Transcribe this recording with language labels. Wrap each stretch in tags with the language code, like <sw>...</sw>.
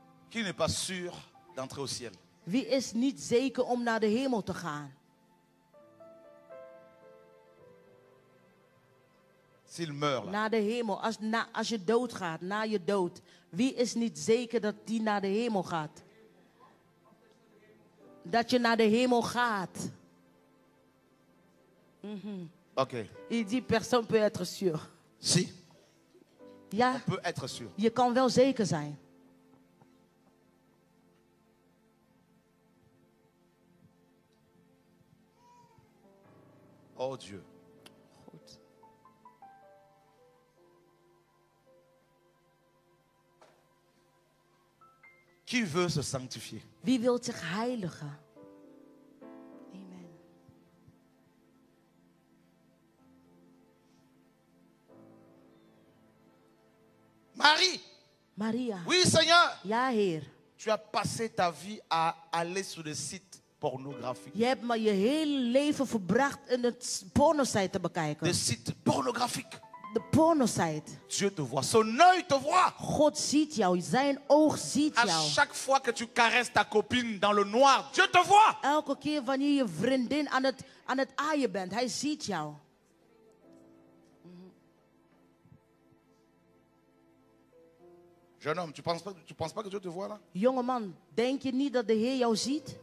<fr>Qui n'est pas sûr d'entrer au ciel?</fr> <nl>Wie is niet zeker om naar de hemel te gaan?</nl> <fr>S'il meurt là.</fr> <nl>Naar de hemel, als je dood gaat, na je dood. Wie is niet zeker dat die naar de hemel gaat? Dat je naar de hemel gaat. Mm-hmm. Oké. Okay.</nl> <fr>Il dit personne peut être sûr. Si.</fr> <nl>Ja.</nl> <fr>On peut être sûr.</fr> <nl>Je kan wel zeker zijn.</nl> <fr>Oh Dieu.</fr> <nl>Goed.</nl> <fr>Qui veut se sanctifier?</fr> <nl>Wie wil zich heiligen? Amen. Marie. Maria.</nl> <fr>Oui, Seigneur.</fr> <nl>Ja, Heer.</nl> <fr>Tu as passé ta vie à aller sur des sites.</fr> <nl>Je hebt maar je hele leven verbracht in het porno-site te bekijken.</nl> <fr>De site pornografiek.</fr> <nl>De porno-site.</nl> <fr>Dieu te voit. Son œil te voit.</fr> <nl>God ziet jou. Zijn oog ziet</nl> <fr>à</fr> <nl>jou.</nl> <fr>À chaque fois que tu caresses ta copine dans le noir, Dieu te voit.</fr> <nl>Elke keer wanneer je vriendin aan het aaien bent, hij ziet jou.</nl> <fr>Jeune homme, tu penses pas que Dieu te voit là?</fr> <nl>Jongeman, denk je niet dat de Heer jou ziet?</nl>